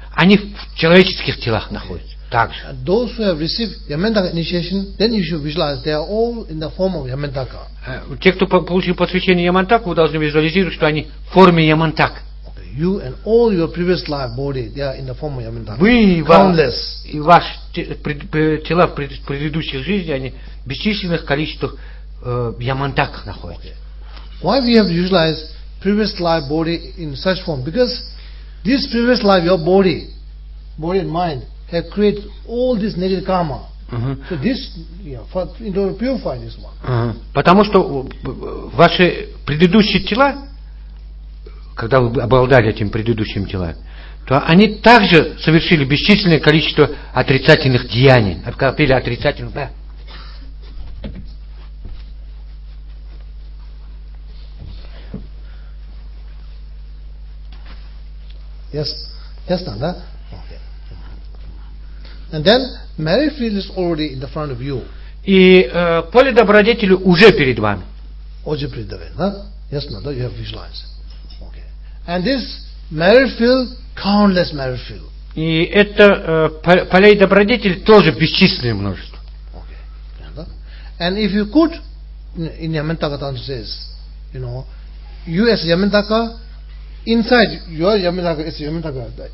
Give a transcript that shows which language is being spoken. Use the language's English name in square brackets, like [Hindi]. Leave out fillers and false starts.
[Russian] Они в человеческих телах находятся. Также. [English] Those who have received Yamantaka initiation, then you should visualize they are all in the form of Yamantaka. [Russian] Те, кто получил посвящение Ямантаку, вы должны визуализировать, что они в форме Ямантак. [English] You and all your previous life body, they are in the form of Yamantaka. [Russian] Вы [English] countless. [Russian] И ваши тела в предыдущих жизнях, они в бесчисленных количествах Ямантак находятся. [English] Why we have visualized previous life body in such form? Because this previous life, your body and mind, have created all this negative karma. So this, in order to purify this one. [Russian] Потому что ваши предыдущие тела, когда вы обладали этим предыдущим телом, то они также совершили бесчисленное количество отрицательных деяний, откопили отрицательных. [English] Yes, да? And then merit field is already in the front of you. [Russian] И поле добродетели уже перед вами. Уже перед вами, да? Ясно, да? [English] You have visualized. [Russian] Okay. [English] And this merit field, countless merit field. [Russian] И это поле добродетели тоже бесчисленное множество. [English] Okay. [Russian] Да? [English] And if you could, in Yamantaka Tantra says, you know, you as Yamantaka, inside your Yamantaka is Yamantaka.